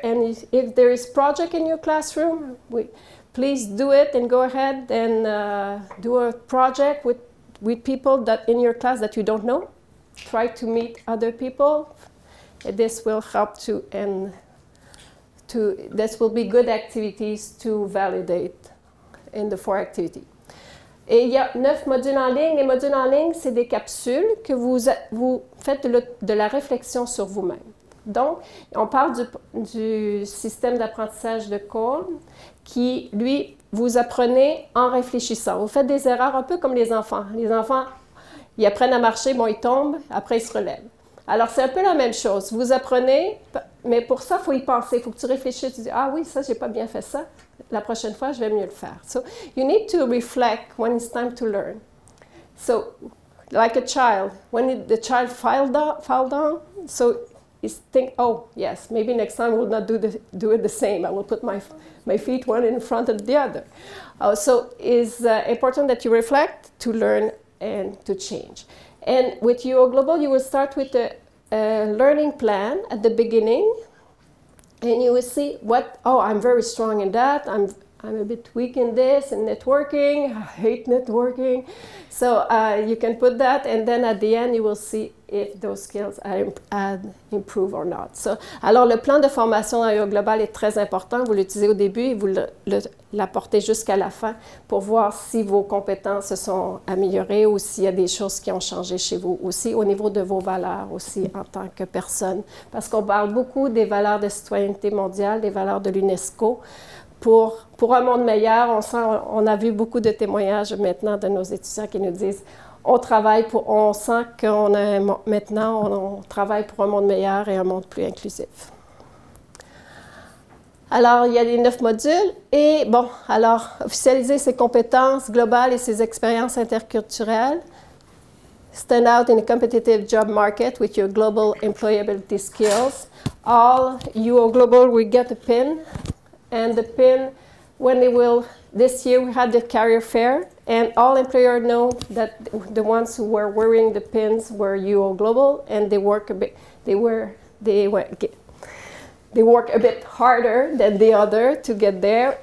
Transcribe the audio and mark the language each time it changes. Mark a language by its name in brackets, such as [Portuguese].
[English] And if there is project in your classroom, please do it and go ahead and do a project with people that in your class that you don't know. Try to meet other people. This will help to and to this will be good activities to validate in the four activity. [French] Et il y a 9 modules en ligne. Les modules en ligne, c'est des capsules que vous faites de la réflexion sur vous-même. Donc, on parle du système d'apprentissage de Cole qui, lui, vous apprenez en réfléchissant. Vous faites des erreurs un peu comme les enfants. Les enfants, ils apprennent à marcher, bon, ils tombent, après ils se relèvent. Alors, c'est un peu la même chose. Vous apprenez, mais pour ça, il faut y penser. Il faut que tu réfléchisses. Tu dis, ah oui, ça, j'ai pas bien fait ça. La prochaine fois, je vais mieux le faire. [English] So, you need to reflect when it's time to learn. So, like a child, when the child fell down, so is think, oh, yes, maybe next time we'll not do it the same. I will put my feet one in front of the other. So it's important that you reflect to learn and to change. And with uOGlobal, you will start with a learning plan at the beginning. And you will see I'm very strong in that. I'm a bit weak in this and networking. I hate networking. So you can put that. And then at the end, you will see if those skills improve or not. [French] So, alors, le plan de formation dans uOGlobal est très important. Vous l'utilisez au début et vous l'apportez jusqu'à la fin pour voir si vos compétences se sont améliorées ou s'il y a des choses qui ont changé chez vous aussi, au niveau de vos valeurs aussi en tant que personne. Parce qu'on parle beaucoup des valeurs de citoyenneté mondiale, des valeurs de l'UNESCO. Pour un monde meilleur, on a vu beaucoup de témoignages maintenant de nos étudiants qui nous disent on sent qu'on a maintenant, on travaille pour un monde meilleur et un monde plus inclusif. Alors, il y a les 9 modules. Et bon, alors, officialiser ses compétences globales et ses expériences interculturelles. [English] Stand out in a competitive job market with your global employability skills. All uOGlobal will get a pin. And the pin, this year we had the career fair. And all employers know that the ones who were wearing the pins were uOGlobal, and they work a bit harder than the other to get there.